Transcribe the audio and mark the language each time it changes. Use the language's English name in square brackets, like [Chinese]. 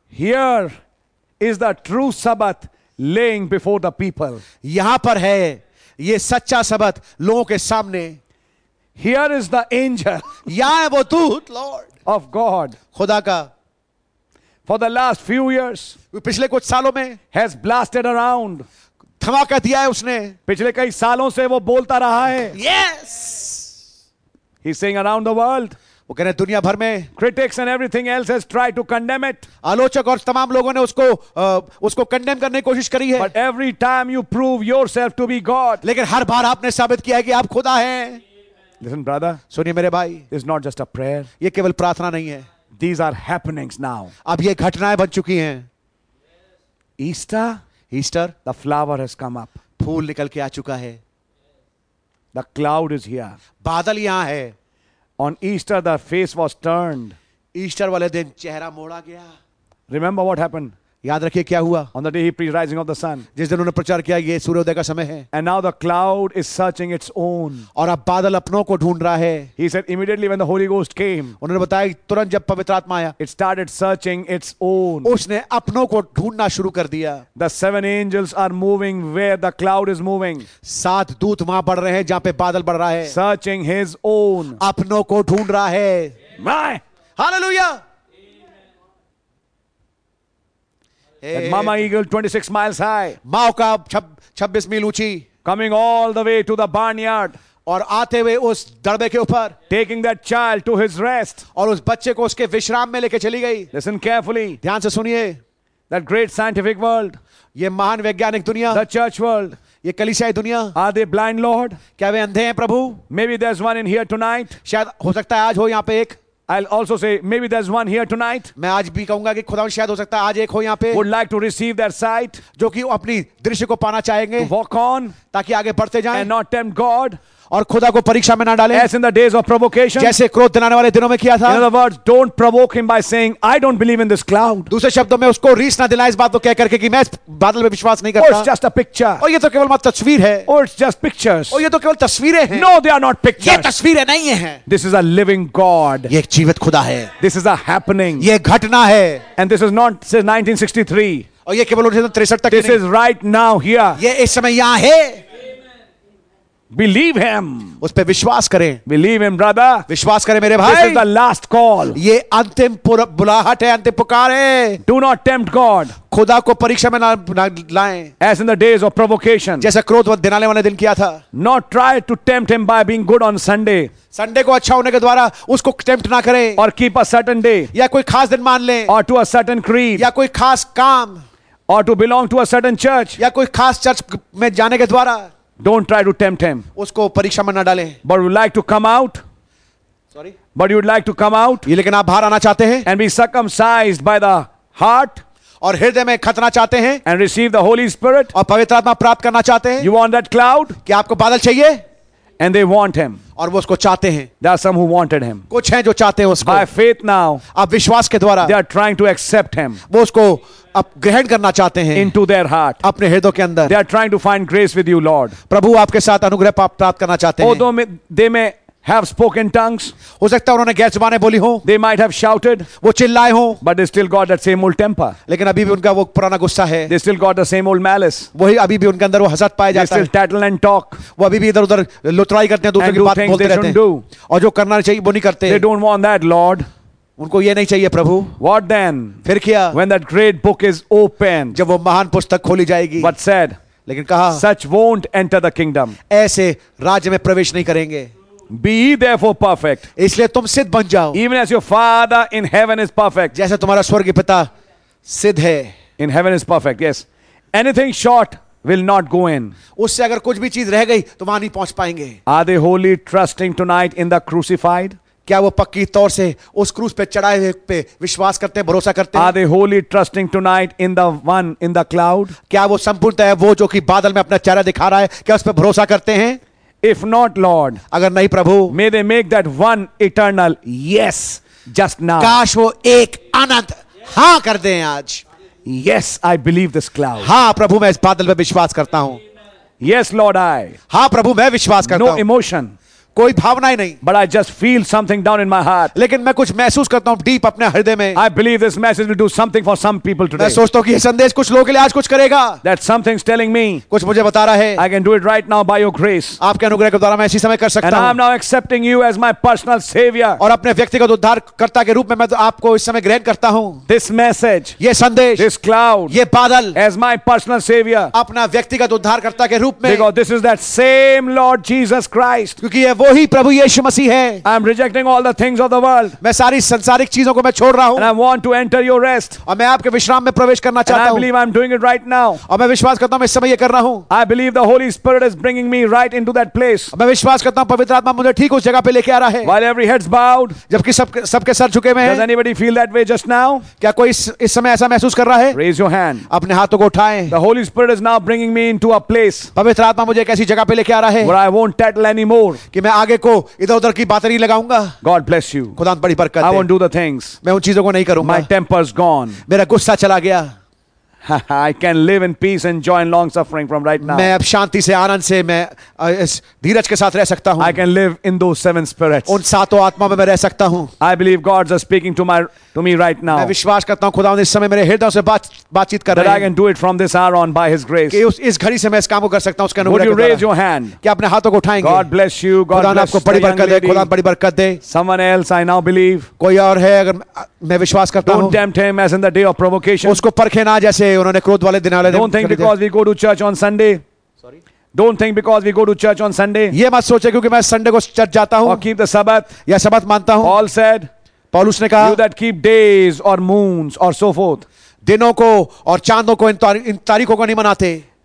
[English] Here is the true Sabbath laying before the people. [Hindi] यहाँ पर है ये सच्चा सबत लोगों के सामने. [English] Here is the angel. Yeah, [Hindi] वो दूत, Lord. [English] Of God. [Hindi] खुदा का. [English] For the last few years. [Hindi] पिछले कुछ सालों में. [English] Has blasted around. [Hindi] धमाका दिया है उसने. पिछले कई सालों से वो बोलता रहा है. [English] Yes. He's saying around the world. [Hindi] वो कह रहे हैं दुनिया भर में. [English] Critics and everything else has tried to condemn it. [Hindi] आलोचक और तमाम लोगों ने उसको उसको condemn करने की कोशिश करी है. [English] But every time you prove yourself to be God. [Hindi] लेकिन हर बार आपने साबित किया है कि आप खुदा हैं. [English] Listen, brother. [Hindi] सुनिए मेरे भाई. [English] It's not just a prayer. [Hindi] ये केवल प्रार्थना नहीं है. [English] These are happenings now. [Hindi] अब ये घटनाएं बन चुकी हैं. [English] Easter. [Hindi] Easter. [English] The flower has come up. [Hindi] फूल निकल के आ चुका है. [English] The cloud is here. [Hindi] बादल यहाँ है. [English] On Easter, the face was turned. [Hindi] Easter वाले दिन चेहरा मोड़ा गया. [English] Remember what happened. [Hindi] याद रखिए क्या हुआ. [English] On the day he preached rising of the sun. [Hindi] जिस दिन उन्होंने प्रचार किया ये सूर्योदय का समय है. [English] And now the cloud is searching its own. [Hindi] और अब बादल अपनों को ढूंढ रहा है. [English] He said immediately when the Holy Ghost came. [Hindi] उन्होंने बताया तुरंत जब पवित्र आत्मा आया. [English] It started searching its own. [Hindi] उसने अपनों को ढूंढना शुरू कर दिया. [English] The seven angels are moving where the cloud is moving. [Hindi] सात दूत वहां बढ़ रहे हैं जहां पे बादल बढ़ रहा है. [English] Searching his own. [Hindi] अपनों को ढूंढ रहा है. [English] My. Hallelujah. That Mama Eagle 26 miles high. [Hindi] Mauka 26 mil uchi. [English] Coming all the way to the barnyard. [Hindi] और आते हुए उस दड़बे के ऊपर. [English] Taking that child to his rest. [Hindi] और उस बच्चे को उसके विश्राम में लेके चली गई. [English] Listen carefully. [Hindi] ध्यान से सुनिए. [English] That great scientific world. [Hindi] ये महान वैज्ञानिक दुनिया. [English] The church world. [Hindi] ये कलीसियाई दुनिया. [English] Are they blind, Lord? [Hindi] क्या वे अंधे हैं प्रभु? [English] Maybe there's one in here tonight. [Hindi] शायद हो सकता है आज हो यहाँ पे एक. [English] I'll also say maybe there's one here tonight. [Hindi] मैं आज भी कहूंगा कि खुदावन शायद हो सकता है आज एक हो यहाँ पे. [English] Would like to receive their sight. [Hindi] जो कि अपनी दृश्य को पाना चाहेंगे. [English] To walk on. [Hindi] ताकि आगे बढ़ते जाएं. [English] And not tempt God. [Hindi] और खुदा को परीक्षा में ना डालें. [English] As in the days of provocation. [Hindi] जैसे क्रोध दिलाने वाले दिनों में किया था. [English] In other words, don't provoke him by saying, I don't believe in this cloud. [Hindi] दूसरे शब्दों में उसको रीस ना दिलाएं इस बात को कह करके कि मैं बादल में विश्वास नहीं करता. [English] Oh, it's just a picture. [Hindi] और ये तो केवल तस्वीर है. [English] Oh, it's just pictures. [Hindi] और ये तो केवल तस्वीरें हैं. [English] No, they are not pictures. [Hindi] ये तस्वीरें नहीं हैं. [English] This is a living God. [Hindi] ये एक जीवित खुदा है. [English] This is a happening. [Hindi] ये घटना है. [English] And this is not since 1963. [Hindi] और ये केवल 1963 तक. [English] This is right now here. [Hindi] ये इस समय यहाँ है. [English] Believe him. [Hindi] उस पे विश्वास करें. [English] Believe him, brother. [Hindi] विश्वास करें मेरे भाई. [English] This is the last call. [Hindi] ये अंतिम बुलाहट है, अंतिम पुकार है. [English] Do not tempt God. [Hindi] खुदा को परीक्षा में ना लाएं. [English] As in the days of provocation. [Hindi] जैसे क्रोध दिलाने वाले दिन किया था. [English] Not try to tempt him by being good on Sunday. [Hindi] Sunday को अच्छा होने के द्वारा उसको टेम्प्ट ना करें. [English] Or keep a certain day. [Hindi] या कोई खास दिन मान लें. [English] Or to a certain creed. [Hindi] या कोई खास काम. [English] Or to belong to a certain church. [Hindi] या कोई खास चर्च में जाने के द्वारा. [English] Don't try to tempt him. [Hindi] उसको परीक्षा में ना डालें. [English] But you would like to come out. Sorry. But you would like to come out. [Hindi] ये लेकिन आप बाहर आना चाहते हैं. [English] And be circumcised by the heart. [Hindi] और हृदय में खतना चाहते हैं. [English] And receive the Holy Spirit. [Hindi] और पवित्र आत्मा प्राप्त करना चाहते हैं. [English] You want that cloud? [Hindi] क्या आपको बादल चाहिए? [English] And they want him. [Hindi] और वो उसको चाहते हैं. [English] There are some who wanted him. [Hindi] कुछ हैं जो चाहते हैं उसको. [English] By faith now. [Hindi] अब विश्वास के द्वारा. [English] They are trying to accept him. [Hindi] वो उसको अब ग्रहण करना चाहते हैं. [English] Into their heart. [Hindi] अपने हृदय के अंदर. [English] They are trying to find grace with you, Lord. [Hindi] प्रभु आपके साथ अनुग्रह प्राप्त करना चाहते हैं. [English] Although they may have spoken tongues. [Hindi] हो सकता है उन्होंने गैर ज़ुबानें बोली हो. [English] They might have shouted. [Hindi] वो चिल्लाए हो. [English] But they still got that same old temper. [Hindi] लेकिन अभी भी उनका वो पुराना गुस्सा है. [English] They still got the same old malice. [Hindi] वही अभी भी उनके अंदर वो हसद पाया जाता है. [English] They still tattle and talk. [Hindi] वो अभी भी इधर-उधर लुटराई करते हैं, दूसरों की बात बोलते रहते हैं. और जो करना चाहिए वो नहीं करते. [English] They don't want that, Lord. [Hindi] उनको ये नहीं चाहिए प्रभु. [English] What then? [Hindi] फिर क्या? [English] When that great book is open. [Hindi] जब वो महान पुस्तक खोली जाएगी. [English] But said. [Hindi] लेकिन कहा. [English] Such won't enter the kingdom. [Hindi] ऐसे राज्य में प्रवेश नहीं करेंगे. [English] Be therefore perfect. [Hindi] इसलिए तुम सिद्ध बन जाओ. [English] Even as your Father in heaven is perfect. [Hindi] जैसे तुम्हारा स्वर्गीय पिता सिद्ध है. [English] In heaven is perfect. Yes. Anything short will not go in. [Hindi] उससे अगर कुछ भी चीज रह गई तो वहां नहीं पहुंच पाएंगे. [English] Are they wholly trusting tonight in the crucified? [Hindi] क्या वो पक्की तौर से उस क्रूस पे चढ़ाए हुए पे विश्वास करते हैं, भरोसा करते हैं? [English] Are they wholly trusting tonight in the one in the cloud? [Hindi] क्या वो संपूर्णतः वो जो कि बादल में अपना चेहरा दिखा रहा है, क्या उस पे भरोसा करते हैं? [English] If not, Lord, [Hindi] अगर नहीं प्रभु, [English] may they make that one eternal yes just now. [Hindi] काश वो एक अनंत हां कर दें आज. [English] Yes, I believe this cloud. [Hindi] हां प्रभु, मैं इस बादल पे विश्वास करता हूं. [English] Yes, Lord, I. [Hindi] हां प्रभु, मैं विश्वास करता [English] हूं. No emotion. [Hindi] कोई भावना ही नहीं. [English] But I just feel something down in my heart. [Hindi] लेकिन मैं कुछ महसूस करता हूं डीप अपने हृदय में. [English] I believe this message will do something for some people today. [Hindi] मैं सोचता हूं कि यह संदेश कुछ लोगों के लिए आज कुछ करेगा. [English] That something's telling me. [Hindi] कुछ मुझे बता रहा है. [English] I can do it right now by your grace. [Hindi] आपके अनुग्रह के द्वारा मैं इसी समय कर सकता [English] हूं. And I'm now accepting you as my personal savior. [Hindi] और अपने व्यक्तिगत उद्धारकर्ता के रूप में मैं तो आपको इस समय ग्रहण करता हूं. [English] This message. [Hindi] यह संदेश. [English] This cloud. [Hindi] यह बादल. [English] As my personal savior. [Hindi] अपना व्यक्तिगत उद्धारकर्ता के रूप में. [English] Because this is that same Lord Jesus Christ. [Hindi] क्योंकि वो ही प्रभु यीशु मसीह है. [English] I am rejecting all the things of the world. [Hindi] मैं सारी संसारिक चीजों को मैं छोड़ रहा हूं. [English] And I want to enter your rest. [Hindi] और मैं आपके विश्राम में प्रवेश करना चाहता [English] हूं. And I believe I am doing it right now. [Hindi] और मैं विश्वास करता हूं मैं इस समय ये कर रहा हूं. [English] I believe the Holy Spirit is bringing me right into that place. [Hindi] मैं विश्वास करता हूं पवित्र आत्मा मुझे ठीक उस जगह पे लेके आ रहा है. [English] While every head's bowed. [Hindi] जबकि सबके सर झुके हुए हैं. [English] Does anybody feel that way just now? [Hindi] क्या कोई इस समय ऐसा महसूस कर रहा है? [English] Raise your hand. [Hindi] अपने हाथों को उठाएं. [English] The Holy Spirit is now bringing me into a place. [Hindi] पवित्र आत्मा मुझे एक ऐसी जगह पे लेके आ रहा है. [English] Where I won't tattle anymore. [Hindi] कि मैं आगे को इधर उधर की बातें नहीं लगाऊंगा. [English] God bless you. [Hindi] खुदा बड़ी बरकत [English] दे. I won't do the things. [Hindi] मैं उन चीजों को नहीं करूंगा. [English] My temper's gone. [Hindi] मेरा गुस्सा चला गया. [English] I can live in peace and joy and long suffering from right now. [Hindi] मैं अब शांति से आनंद से मैं इस धीरज के साथ रह सकता हूं. [English] I can live in those seven spirits. [Hindi] उन सातों आत्मा में मैं रह सकता हूं. [English] I believe God's are speaking to me right now. [Hindi] मैं विश्वास करता हूं खुदा इस समय मेरे हृदय से बातचीत कर रहा [English] है. I can do it from this hour on by his grace. [Hindi] कि इस घड़ी से मैं इस काम को कर सकता हूं. [English] Would you raise your hand? [Hindi] कि अपने हाथों को उठाएंगे. [English] God bless you. God [Hindi] आपको बड़ी बरकत दे. खुदा बड़ी बरकत दे. [English] Someone else I now believe. [Hindi] कोई और है अगर मैं विश्वास करता हूं. [English] Don't tempt him as in the day of provocation. [Hindi] उसको परखे ना जैसे उन्होंने क्रोध वाले दिन वाले. [English] Don't think because we go to church on Sunday. Don't think because we go to church on Sunday. [Hindi] ये मत सोचे क्योंकि मैं संडे को चर्च जाता हूं. [English] Or keep the Sabbath. [Hindi] या सबत मानता हूं. [English] Paul said. [Hindi] पौलुस ने कहा. [English] You that keep days or moons or so forth. [Hindi] दिनों को और चांदों को इन तारीखों को नहीं मनाते.